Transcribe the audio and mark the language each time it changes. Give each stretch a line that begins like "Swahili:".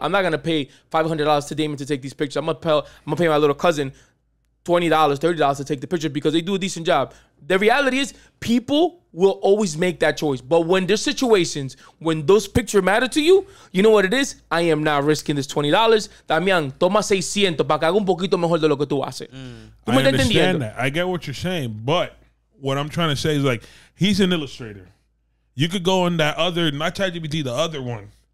English: I'm not gonna pay $500 to Damon to take these pictures. I'm gonna pay my little cousin $20, $30 to take the picture because they do a decent job. The reality is people will always make that choice. But when there's situations, when those pictures matter to you, you know what it is? I am not risking this $20.
Spanish: Damian, toma 600 para que haga un poquito mejor de lo que tú haces.
English: Mm. I understand that. I get what you're saying. But what I'm trying to say is like, he's an illustrator. You could go on that other, not ChatGPT, the other one.